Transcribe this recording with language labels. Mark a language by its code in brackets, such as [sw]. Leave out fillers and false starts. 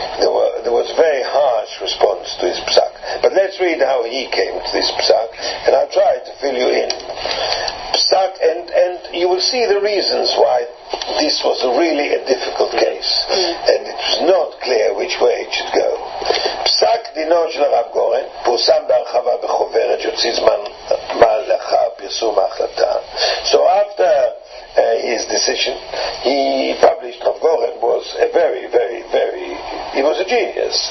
[en] There was a very harsh response to his psak. But let's read how he came to this psak, and I'll try to fill you in. Psak, and you will see the reasons why this was really a difficult case, and it was not clear which way it should go. [he] פסק דינו של הרב גורן פורסם בהרחבה בחוברת שהוציא זמן מה לאחר פרסום ההחלטה. [en] So after his decision, he published, Rav Goren was a very, very, very, he was a genius.